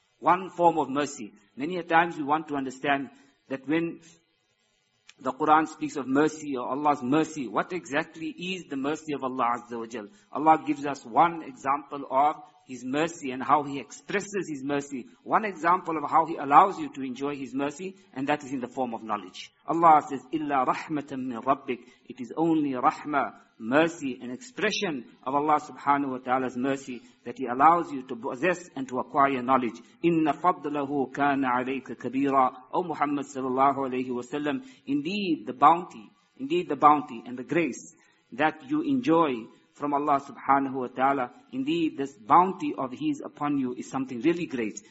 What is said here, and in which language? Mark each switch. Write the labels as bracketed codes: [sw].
[en] One form of mercy. Many a times we want to understand that when the Quran speaks of mercy or Allah's mercy, what exactly is the mercy of Allah Azza wa Jal? Allah gives us one example of His mercy and how He expresses His mercy. One example of how He allows you to enjoy His mercy, and that is in the form of knowledge. [ar] Allah says, إِلَّا رَحْمَةً مِّن رَبِّكَ. [en] It is only rahmah, mercy, an expression of Allah subhanahu wa ta'ala's mercy that He allows you to possess and to acquire knowledge. [ar] إِنَّ فَضْلَهُ كَانَ عَلَيْكَ كَبِيرًا. [en] O Muhammad sallallahu alayhi wa sallam, indeed the bounty and the grace that you enjoy from Allah subhanahu wa ta'ala, indeed this bounty of His upon you is something really great.